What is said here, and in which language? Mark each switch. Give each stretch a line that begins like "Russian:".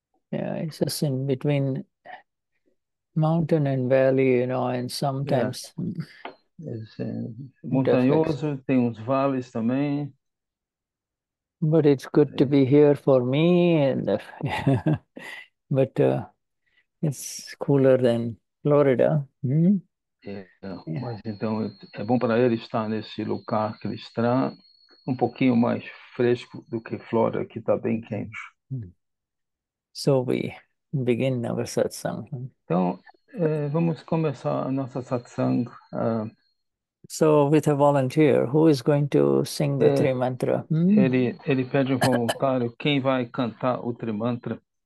English: Yeah, it's just in between mountain and valley, you know, and sometimes difficult.
Portuguese: Montanhoso, tem uns vales também.
English: But it's good to be here for me, and but it's cooler than Florida.
Portuguese: Mas então é bom para ele estar nesse lugar que ele está. Um pouquinho mais fresco do que Flora, que está bem quente.
English: So we begin our satsang.
Portuguese: Então, vamos começar a nossa satsang.
English: So with a volunteer, who is going to sing the three mantra?
Portuguese: Ele pede um voluntário, quem vai cantar o Trimantra?